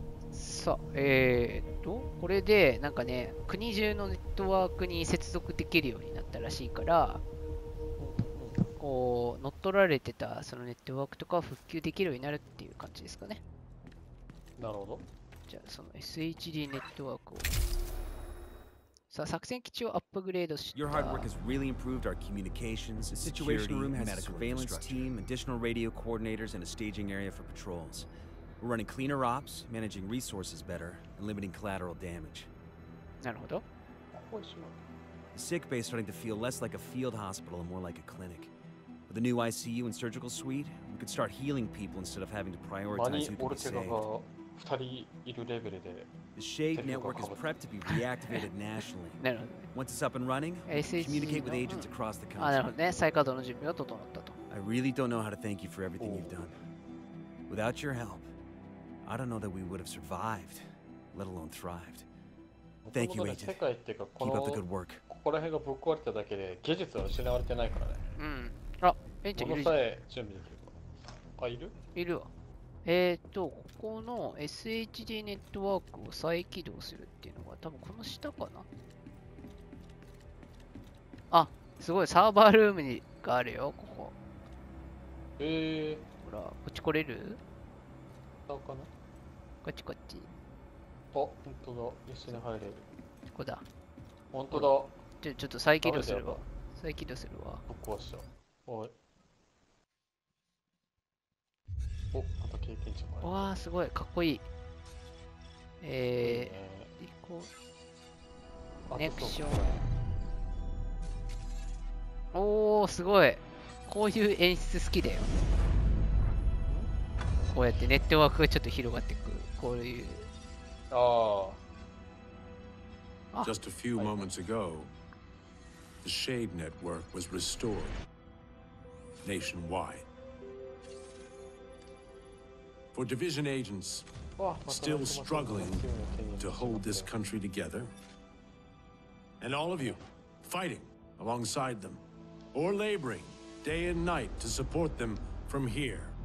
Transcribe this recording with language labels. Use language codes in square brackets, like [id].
[ja] さ、これでなんかね、国中のネットワークに接続できるようになったらしいから、こう乗っ取られてたそのネットワークとか復旧できるようになるっていう感じですかね。なるほど。じゃあその SHD ネットワークを、さあ作戦基地をアップグレードした。 [en] Your hard work has really improved our communications. The situation room has a surveillance team, additional radio coordinators and a staging area for patrols. We're running cleaner ops, managing resources better, and limiting collateral damage. [ja] なるほど。 [en] The sick bay is starting to feel less like a field hospital and more like a clinic. With the new ICU and surgical suite, we could start healing people instead of having to prioritize who can be saved. The Shade network is prepped to be reactivated nationally. [ja] なるほど。 [en] Once it's up and running, communicate with agents across the country. [ja] あ、なるほどね。再稼働の準備が整ったと。 [en] I really don't know how to thank you for everything you've done. Without your help, I don't know that we would have survived, let alone thrived. Thank you, Agent. Keep up the good work. [ja] ここら辺がぶっ壊れただけで技術は失われてないからね。うん。あ、エンチいるじゃん。ものさえ準備できるか。あ、いる？いるわ。ここの SHD ネットワークを再起動するっていうのが多分この下かな。あ、すごい、サーバールームにがあるよ、ここ。ほら、こっち来れる？かな、こっちこっち。あ、本当だ、一緒に入れる。ここだ。本当だ。ちょっと再起動するわ。再起動するわ。ぶっ壊した。おい。お、また経験値もある。わあ、すごい、かっこいい。行こう。ネクション。おお、すごい。こういう演出好きだよ。こうやってネットワークがちょっと広がっていく、こういう。ああ。 [en] Just a few moments ago, the Shade Network was restored nationwide. For division agents still struggling to hold this country together, and all of you fighting alongside them or laboring day and night to support them from here.